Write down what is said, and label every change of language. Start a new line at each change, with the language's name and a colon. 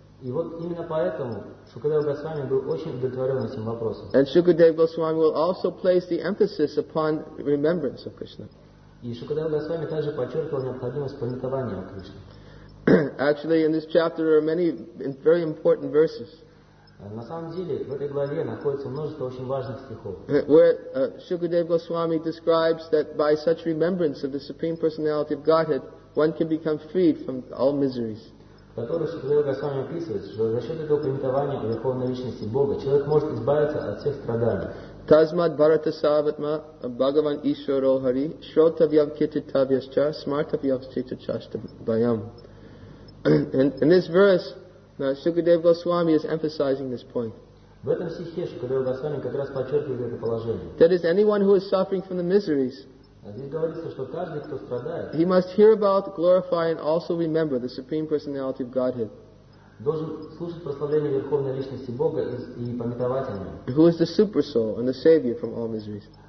Russian: И вот именно поэтому Шукадева Госвами был очень удовлетворен этим вопросом.
English: And Shukadeva Goswami will also place the emphasis upon remembrance of Krishna.
Russian: И Шукадева Госвами также подчеркивал необходимость памятования о Кришне.
English: Actually, in this chapter there are many very important verses.
Russian: На самом деле в этой главе находится множество очень важных стихов.
English: Where Shukadeva Goswami describes that by such remembrance of the Supreme Personality of Godhead, one can become freed from all miseries.
Russian: Который Шукадева Госвами описывает, что за счет этого памятования о Верховной Личности Бога человек может избавиться от всех страданий.
Sanskrit: Тазмат Барата Саватма Бхагаван Ишваро Хари Шротавьям Кититавьяща Смартавьям Читачаштам Байам.
English: In this verse, Шукадева Госвами is emphasizing this point.
Russian: В этом стихе Шукадева Госвами как раз подчеркивает это положение.
English: That is, anyone who is suffering from the miseries, he must hear about, glorify, and also remember the Supreme Personality of Godhead, who is the Super Soul and the Savior from all miseries.